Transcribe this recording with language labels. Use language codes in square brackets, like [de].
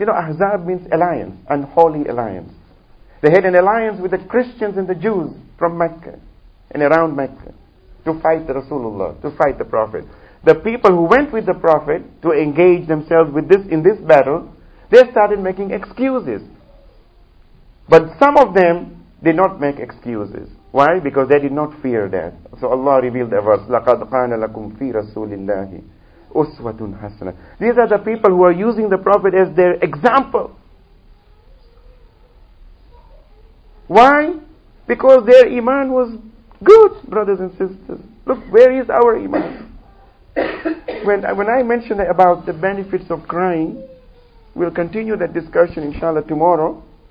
[en] You know, Ahzab means alliance, unholy alliance. They had an alliance with the Christians and the Jews from Mecca and around Mecca to fight the Rasulullah, to fight the Prophet. The people who went with the Prophet to engage themselves with this in this battle, they started making excuses. But some of them did not make excuses. Why? Because they did not fear death. So Allah revealed the verse, [ar] لَقَدْ قَانَ لَكُمْ فِي رَسُولِ اللَّهِ أُسْوَةٌ حَسَنَةٌ. [en] These are the people who are using the Prophet as their example. Why? Because their iman was good, brothers and sisters. Look, where is our iman? When I mentioned about the benefits of crying, we'll continue that discussion, inshallah, tomorrow.